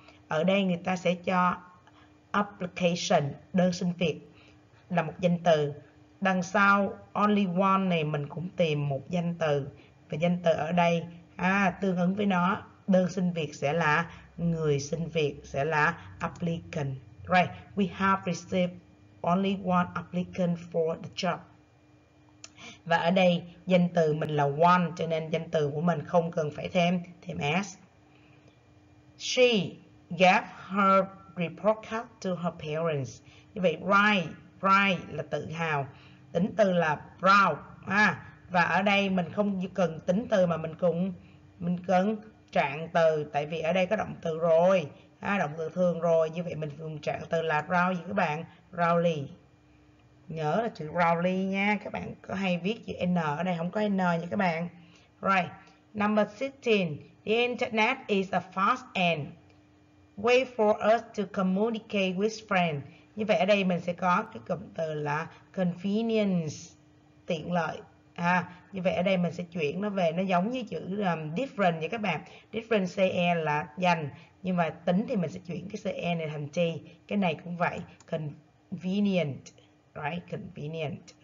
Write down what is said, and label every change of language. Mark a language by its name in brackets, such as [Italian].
[Vietnamese] Ở đây người ta sẽ cho application, đơn xin việc, là một danh từ. Đằng sau only one này mình cũng tìm một danh từ. Và danh từ ở đây, tương ứng với nó, đơn xin việc sẽ là người xin việc, sẽ là applicant. [English] Right, we have received only one applicant for the job. [Vietnamese] Và ở đây, danh từ mình là one, cho nên danh từ của mình không cần phải thêm s. [English] She gave her report card to her parents. [Vietnamese] Như vậy pride là tự hào, tính từ là proud ha. Và ở đây mình không cần tính từ mà mình cần trạng từ, tại vì ở đây có động từ rồi ha, động từ thường rồi, như vậy mình dùng trạng từ là proud gì các bạn? Proudly. Nhớ là chữ proudly nha, các bạn có hay viết chữ n ở đây không có n nha các bạn. [English] Right. Number 16. The internet is a fast and way for us to communicate with friends. [Vietnamese] Như vậy ở đây mình sẽ có cái cụm từ là convenience, tiện lợi. À, như vậy ở đây mình sẽ chuyển nó về, nó giống như chữ different vậy các bạn. Different CE là dành, nhưng mà tính thì mình sẽ chuyển cái CE này thành T. Cái này cũng vậy, convenient, right? Convenient.